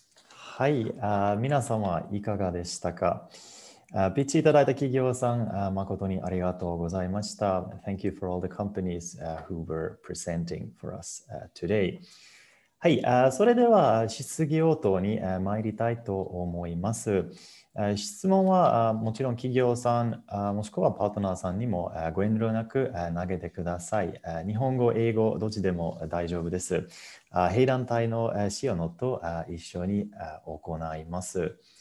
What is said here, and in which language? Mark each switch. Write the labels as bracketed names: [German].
[Japanese] はい、皆様いかがでしたか。ピッチいただいた企業さん、誠にありがとうございました。 [English] Thank you for all the companies who were presenting for us today. [Japanese] はい、それでは質疑応答に参りたいと思います。質問はもちろん企業さん、もしくはパートナーさんにもご遠慮なく投げてください。日本語、英語、どっちでも大丈夫です。兵団隊のシオノと一緒に行います。